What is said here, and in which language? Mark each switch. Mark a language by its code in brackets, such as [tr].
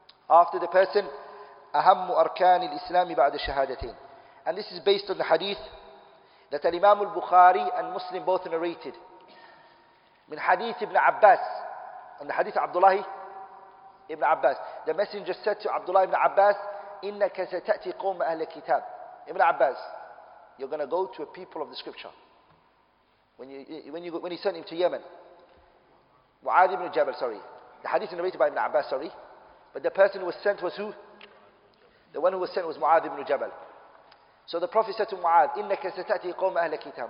[en] After the person, [ar] أهم أركان الإسلام بعد الشهادتين. [en] And this is based on the hadith that Imam al-Bukhari and Muslim both narrated. من hadith Ibn Abbas. And the hadith of Abdullah Ibn Abbas. The messenger said to Abdullah Ibn Abbas, [ar] إنك ستأتي قوم أهل الكتاب. [en] Ibn Abbas, you're going to go to a people of the scripture. When he sent him to Yemen. Mu'adh ibn Jabal, sorry. The hadith is narrated by Ibn Abbas, sorry. But the person who was sent was who? The one who was sent was Mu'adh ibn Jabal. So the Prophet said to Mu'adh, [ar] إِنَّكَ سَتَأْتِي قَوْمَ أَهْلَ كِتَابٍ.